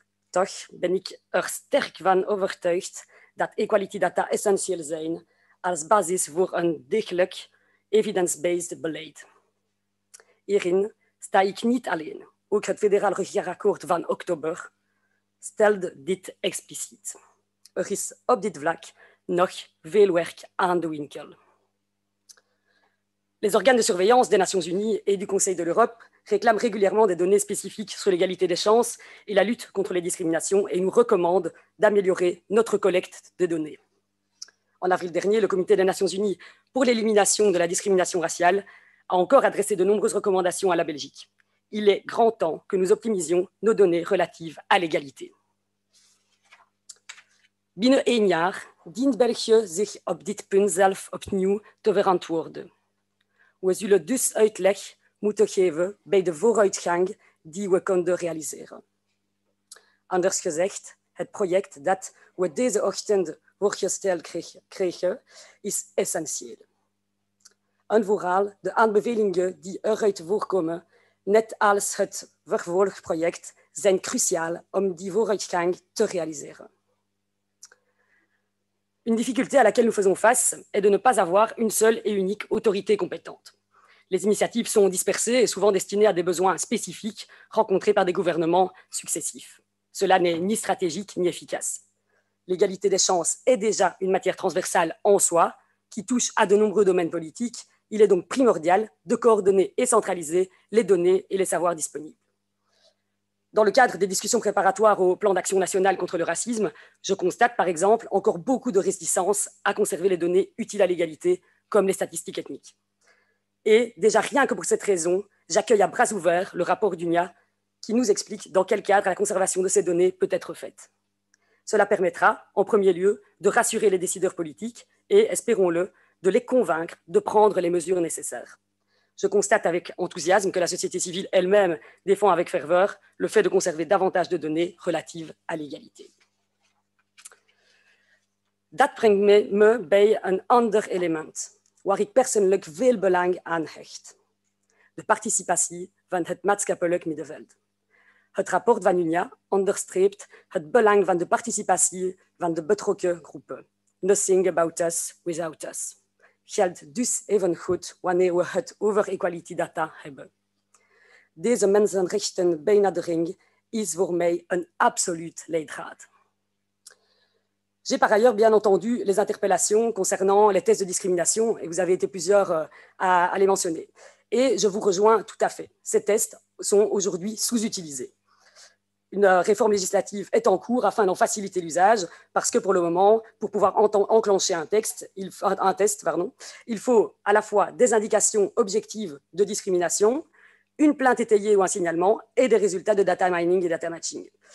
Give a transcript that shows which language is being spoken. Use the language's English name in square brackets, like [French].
[Dutch] Toch ben ik er sterk van overtuigd dat Equality Data essentieel zijn als basis voor een degelijk evidence-based beleid. Hierin sta ik niet alleen. Ook het federaal regeerakkoord van oktober stelde dit expliciet. Er is op dit vlak nog veel werk aan de winkel. [French] Les organes de surveillance des Nations Unies et du Conseil de l'Europe réclament régulièrement des données spécifiques sur l'égalité des chances et la lutte contre les discriminations et nous recommandent d'améliorer notre collecte de données. En avril dernier, le Comité des Nations Unies pour l'élimination de la discrimination raciale a encore adressé de nombreuses recommandations à la Belgique. Il est grand temps que nous optimisions nos données relatives à l'égalité. [Dutch] Binnen één jaar dient België zich op dit punt zelf opnieuw te verantwoorden. We zullen dus uitleg moeten geven bij de vooruitgang die we konden realiseren. Anders gezegd, het project dat we deze ochtend voorgesteld kregen, is essentieel. En vooral de aanbevelingen die eruit voorkomen, net als het vervolgproject, zijn cruciaal om die vooruitgang te realiseren. [French] Une difficulté à laquelle nous faisons face est de ne pas avoir une seule et unique autorité compétente. Les initiatives sont dispersées et souvent destinées à des besoins spécifiques rencontrés par des gouvernements successifs. Cela n'est ni stratégique ni efficace. L'égalité des chances est déjà une matière transversale en soi, qui touche à de nombreux domaines politiques. Il est donc primordial de coordonner et centraliser les données et les savoirs disponibles. Dans le cadre des discussions préparatoires au plan d'action national contre le racisme, je constate par exemple encore beaucoup de réticence à conserver les données utiles à l'égalité, comme les statistiques ethniques. Et déjà rien que pour cette raison, j'accueille à bras ouverts le rapport d'UNIA qui nous explique dans quel cadre la conservation de ces données peut être faite. Cela permettra, en premier lieu, de rassurer les décideurs politiques et, espérons-le, de les convaincre de prendre les mesures nécessaires. Je constate avec enthousiasme que la société civile elle-même défend avec ferveur le fait de conserver davantage de données relatives à l'égalité. [Dutch] Dat brengt me bij een ander element, waar ik persoonlijk veel belang aan hecht. De participatie van het maatschappelijk middenveld. Het rapport van UNIA onderstreept het belang van de participatie van de betrokken groepen. [English] Nothing about us without us. [Dutch] Geldt dus evengoed wanneer we het over equality data hebben. Deze mensenrechten benadering is voor mij een absolute leidraad. [French] J'ai par ailleurs bien entendu les interpellations concernant les tests de discrimination, et vous avez été plusieurs à les mentionner. Et je vous rejoins tout à fait. Ces tests sont aujourd'hui sous-utilisés. Une réforme législative est en cours afin d'en faciliter l'usage parce que pour le moment, pour pouvoir enclencher un test, il faut à la fois des indications objectives de discrimination, une plainte étayée ou un signalement et des résultats de data mining et data matching.